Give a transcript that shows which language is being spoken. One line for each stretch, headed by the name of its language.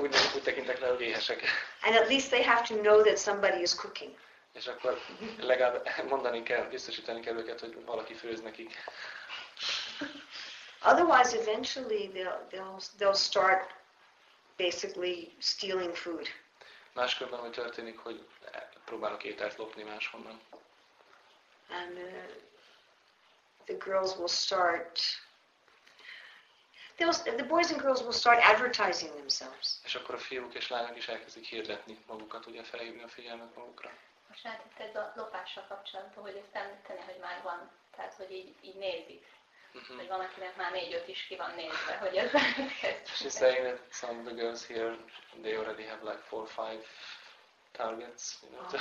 English: And at least they have to know that somebody is cooking.
Hungarian: És akkor legalább mondani kell, biztosítani kell őket, hogy valaki főz nekik.
English: Otherwise eventually they'll start basically stealing food.
Hungarian: Máskülönben úgy történik, hogy próbálok ételt lopni máshonnan.
English: And the girls will start. The boys and girls will start advertising themselves.
Hungarian: És akkor a fiúk és lányok is elkezdik hirdetni magukat, ugye felhívni a figyelmet magukra. Most hát itt ez a lopással kapcsolatban, hogy ezt említeni, hogy már van, tehát hogy így nézik, hogy van, akinek már 4-5 is ki van nézve, hogy ez kezdődik.
English: She's saying that some of the girls here, they already have like 4-5 targets, you know.